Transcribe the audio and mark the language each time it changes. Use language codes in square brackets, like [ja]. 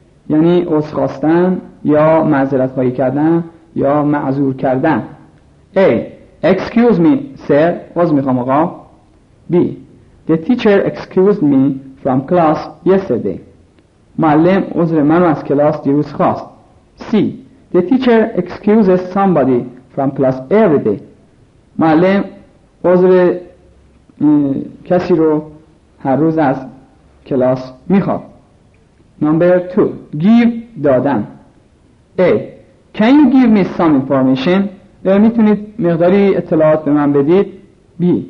[fa] یعنی عذر خواستن یا معذرت خواهی کردن یا معذور کردن. [en] A. Excuse me, sir. [fa] عذر میخوام آقا. [en] B. The teacher excused me from class yesterday. [fa] معلم عذر من از کلاس دیروز خواست. C. [en] The teacher excuses somebody from class every day. [fa] معلم عذر کسی رو هر روز از کلاس میخواد. [en] Number 2. Give دادن. A. Can you give me some information? [fa] میتونید مقداری اطلاعات به من بدید؟ B.